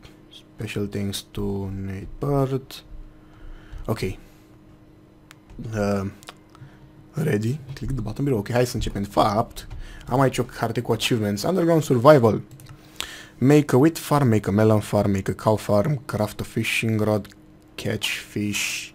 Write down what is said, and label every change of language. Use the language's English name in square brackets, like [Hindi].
[English] Special thanks to Nate Bird. Ok. Ready? Click the button below. [Romanian] Ok, hai să începem. De fapt, am aici o carte cu achievements. [English] Underground Survival. Make a wheat farm, make a melon farm, make a cow farm, craft a fishing rod, catch fish.